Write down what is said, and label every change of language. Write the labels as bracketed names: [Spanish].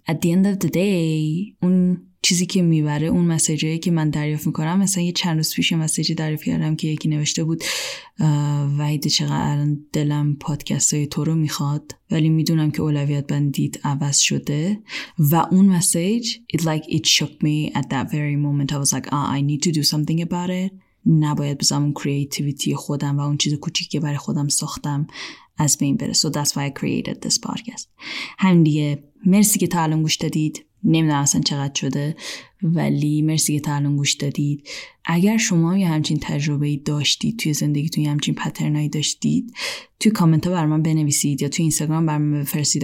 [English] At the end of the day [Persian] اون چیزی که میبره، اون مسیجی که من دریافت میکنم، مثلا یه چند روز پیش مسیجی دریافت کردم که یکی نوشته بود وحید چقدر دلم پادکست های تو رو میخواد ولی میدونم که اولویت بندیت عوض شده. و اون مسیج [English] it shocked me at that very moment. I was like I need to do something about it. [Persian] نباید بذارم اون کریتیویتی خودم و اون چیز کوچیکی که برای خودم ساختم از بین بره. [English] So that's why I created this podcast. [Persian] همین دیگه، مرسی که تا الان گوش دادید. نمیدونم اصلا چقدر شده ولی مرسی که تا الان گوش دادید. اگر شما هم یه همچین تجربه داشتید، توی زندگیتون یه همچین پترنایی داشتید، توی کامنت ها برام بنویسید یا توی اینستاگرام برام بفرستید.